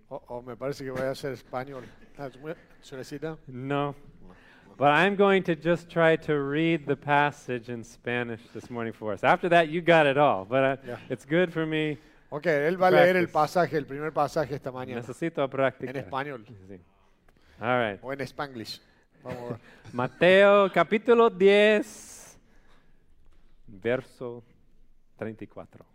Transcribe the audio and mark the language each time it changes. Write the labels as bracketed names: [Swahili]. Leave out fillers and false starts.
[Spanish] Oh, me parece que voy a hacer español. ¿Suelecita? No. [English] But I'm going to just try to read the passage in Spanish this morning for us. After that, you got it all. But yeah. It's good for me. [Spanish] Okay, él va a leer el pasaje, el primer pasaje esta mañana. Necesito practicar. En español. [English] Sí. All right. [Spanish] O en Spanglish. Vamos. Mateo, capítulo 10, verso 34.